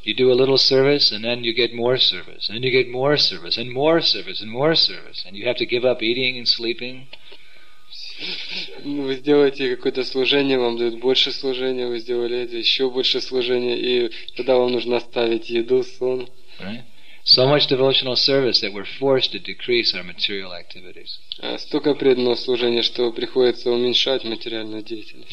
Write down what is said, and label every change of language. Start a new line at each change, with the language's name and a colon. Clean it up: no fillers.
English: You do a little service and then you get more service and then you get more service and more service and more service and you have to give up eating and sleeping.
Russian: Вы сделаете какое-то служение, вам дают больше служения, вы сделали это, еще больше служения, и тогда вам нужно оставить еду, сон.
English: So much devotional service that we're forced to decrease our material activities.
Russian: Столько преданного служения, что приходится уменьшать материальную деятельность.